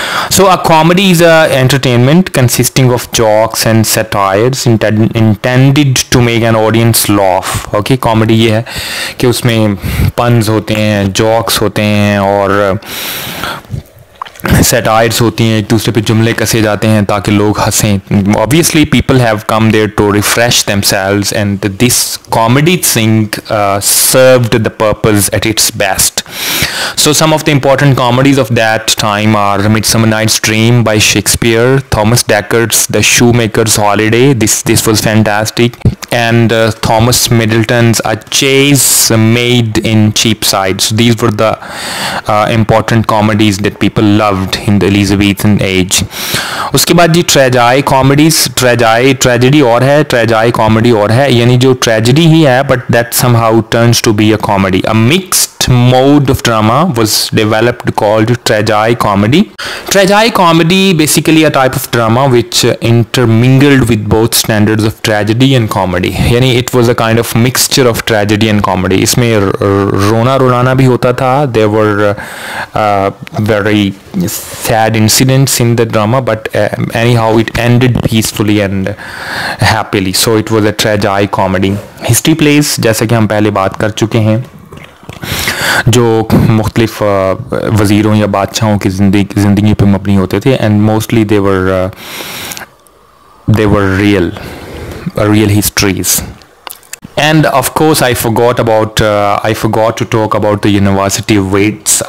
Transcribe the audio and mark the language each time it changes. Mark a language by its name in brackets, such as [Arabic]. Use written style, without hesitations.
[English] So a comedy is a entertainment consisting of jokes and satires intended to make an audience laugh. [Urdu] Okay, comedy یہ ہے کہ اس میں pins ہوتے ہیں, jokes ہوتے ہیں اور سیٹائرز ہوتی ہیں, ایک دوسرے پہ جملے کسے جاتے ہیں تاکہ لوگ ہنسیں. [English] Obviously people have come there to refresh themselves and this comedy thing served the purpose at its best. So some of the important comedies of that time are midsummer night's dream by Shakespeare, Thomas Dekker's the shoemaker's holiday, this was fantastic, and Thomas Middleton's a chaste maid in Cheapside. So these were the important comedies that people loved in the Elizabethan age. [Urdu] اس کے بعد جی ٹریجائی comedies, ٹریجائی comedy اور ہے, یعنی جو tragedy ہی ہے [English] But that somehow turns to be a comedy, a mixed mode of drama was developed called tragi comedy. Tragi comedy basically a type of drama which intermingled with both standards of tragedy and comedy. Yani it was a kind of mixture of tragedy and comedy. [Urdu] Isme rona rulana bhi hota tha. [English] There were very sad incidents in the drama, but anyhow it ended peacefully and happily. So it was a tragi comedy. [Urdu] History please جیسا کہ ہم پہلے بات کر چکے ہیں جو مختلف وزیروں یا بادشاہوں کی زندگی پہ مبنی ہوتے تھے [English] And mostly they were real histories and of course I forgot to talk about the university wits.